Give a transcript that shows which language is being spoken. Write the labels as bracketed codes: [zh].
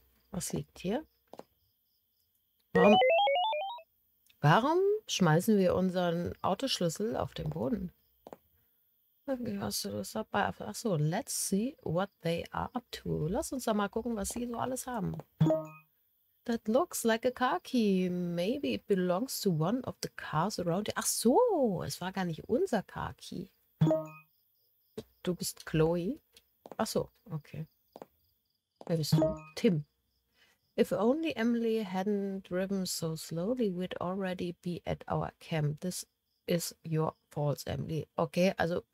[de] Was liegt hier? Warum schmeißen wir unseren Autoschlüssel auf den Boden? Hast du das dabei? [en] Achso, let's see what they are up to. [de] Lass uns da mal gucken, was sie so alles haben. [en] That looks like a car key. Maybe it belongs to one of the cars around here. [de] Achso, es war gar nicht unser Car Key. Du bist Chloe? Achso, okay. Wer bist du? Tim. [en] If only Emily hadn't driven so slowly, we'd already be at our camp. This is your fault, Emily. Okay, also...